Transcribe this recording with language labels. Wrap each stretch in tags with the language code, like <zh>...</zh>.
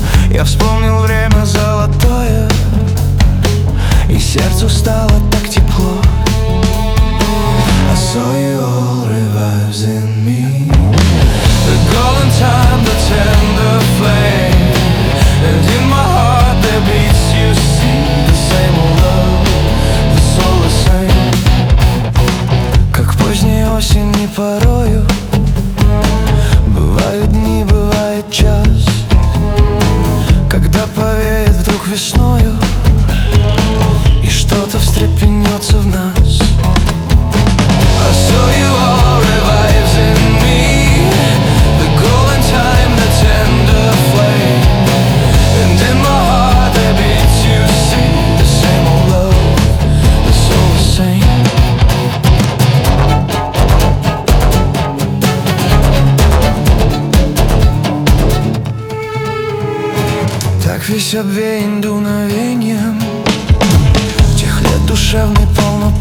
<ru>Я вспомнил время золотое, и сердцу стало так тепло.</ru> <en>I saw you all revives in me. The golden time, the tender flame, and in my heart there beats, you see, the same old love, the soul the same.</en> <ru>Как поздней осени порою бывают дни, бывает час, когда повеет вдруг весною и что-то встрепенется в нас.</ru> <en>I saw you all revives in me. The golden time, the tender flame, and in my heart there beats, you see, the same old love, the soul the same.</en> <ru>Так весь обвеян дуновеньем тех лет душевной полной.</ru>